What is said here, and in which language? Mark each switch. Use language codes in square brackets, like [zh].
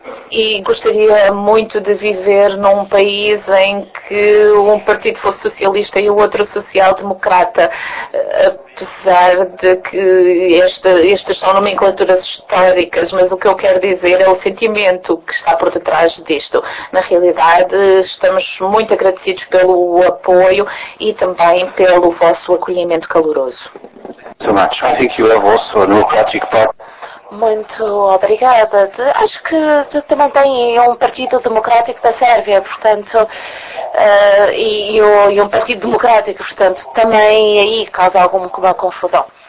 [pt] E gostaria muito de viver num país em que um partido fosse socialista e o outro social-democrata, apesar de que estas são nomenclaturas históricas, mas o que eu quero dizer é o sentimento que está por detrás disto. Na realidade, estamos muito agradecidos pelo apoio e também pelo vosso acolhimento caloroso. [en] So much. I think you have also a democratic party. [pt] Muito obrigada. Acho que também tem um Partido Democrático da Sérvia, portanto, e um Partido Democrático, portanto, também aí causa alguma confusão.